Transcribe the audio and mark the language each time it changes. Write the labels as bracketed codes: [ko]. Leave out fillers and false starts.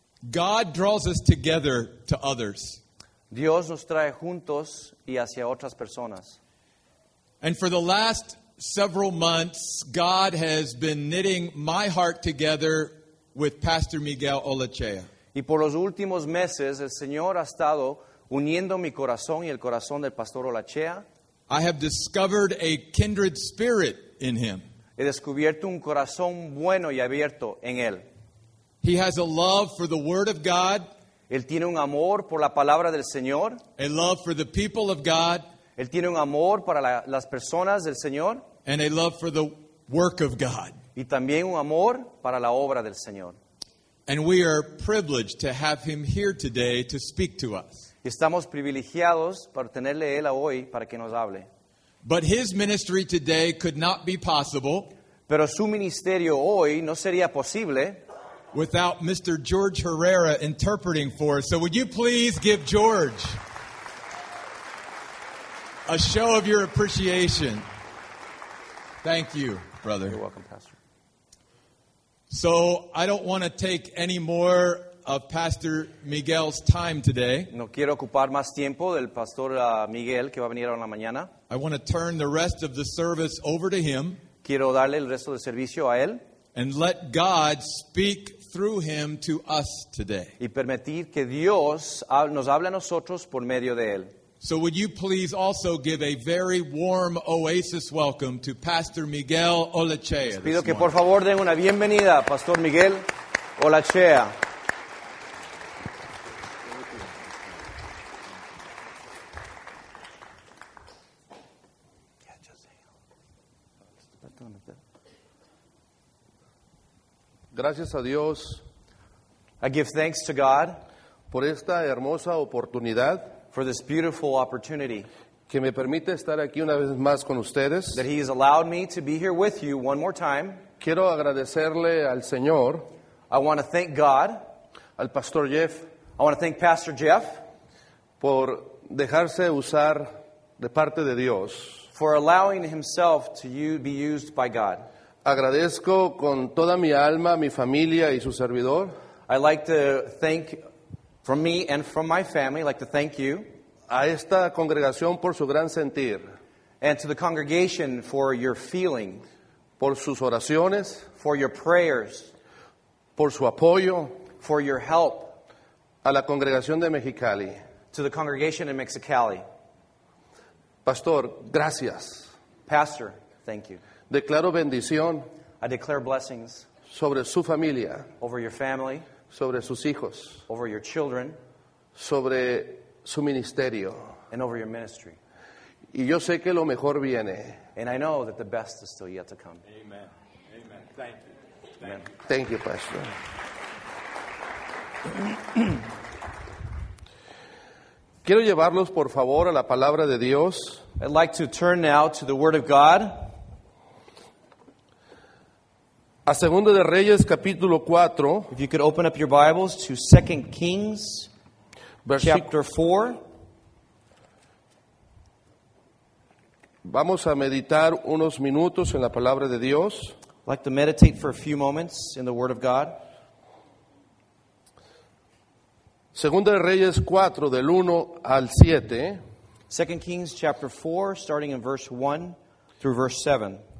[en] God draws us together to others. [es] Dios nos trae juntos y hacia otras personas. [en] And for the last several months, God has been knitting my heart together with Pastor Miguel Olechea. [es] Y por los últimos meses, el Señor ha estado uniendo mi corazón y el corazón del Pastor Olechea. [en] I have discovered a kindred spirit in him. [es] He descubierto un corazón bueno y abierto en él. [en] He has a love for the Word of God. [es] Él tiene un amor por la palabra del Señor. [en] A love for the people of God. [es] Él tiene un amor para las personas del Señor. [en] And a love for the work of God. [es] Y también un amor para la obra del Señor. [en] And we are privileged to have him here today to speak to us. [es] Y estamos privilegiados para tenerle él hoy para que nos hable. [en] But his ministry today could not be possible. [es] Pero su ministerio hoy no sería posible. [en] Without Mr. George Herrera interpreting for us. So would you please give George a show of your appreciation. Thank you, brother. You're welcome, Pastor. So I don't want to take any more of Pastor Miguel's time today. [es] No quiero ocupar más tiempo del Pastor Miguel que va a venir ahora en la mañana. [en] I want to turn the rest of the service over to him. [es] Quiero darle el resto del servicio a él. [en] And let God speak through him to us today. [es] Y permitir que Dios nos hable a nosotros por medio de él. [en] So would you please also give a very warm oasis welcome to Pastor Miguel Olechea this [es] morning. Pido que por favor den una bienvenida a Pastor Miguel Olechea. Gracias a Dios. [en] I give thanks to God [es] por esta hermosa oportunidad, [en] for this beautiful opportunity, [es] que me permite estar aquí una vez más con ustedes, [en] that he has allowed me to be here with you one more time. [es] Quiero agradecerle al Señor. [en] I want to thank God. [es] Al Pastor Jeff. [en] I want to thank Pastor Jeff [es] por dejarse usar de parte de Dios, [en] for allowing himself to be used by God. [es] Agradezco con toda mi alma mi familia y su servidor. [en] I'd like to thank from me and from my family, I'd like to thank you. [es] A esta congregación por su gran sentir. [en] And to the congregation for your feeling. [es] Por sus oraciones. [en] For your prayers. [es] Por su apoyo. [en] For your help. [es] A la congregación de Mexicali. [en] To the congregation in Mexicali. [es] Pastor, gracias. [en] Pastor, thank you. [es] Declaro bendición. [en] I declare blessings. [es] Sobre su familia. [en] Over your family. [es] Sobre sus hijos. [en] Over your children. [es] Sobre su ministerio. [en] And over your ministry. [es] Y yo sé que lo mejor viene. [en] And I know that the best is still yet to come. Amen. Amen. Thank you. Amen. Thank you, Pastor. [es] Quiero llevarlos, por favor, a la palabra de Dios. [en] I'd like to turn now to the Word of God. [es] A Segundo de Reyes, capítulo 4. [en] If you could open up your Bibles to 2 Kings, chapter 4. [es] Vamos a meditar unos minutos en la palabra de Dios. [en] I'd like to meditate for a few moments in the Word of God. [es] Segunda de Reyes 4, del 1 al 7. [en] 2 Kings chapter 4, starting in verse 1 through verse 7.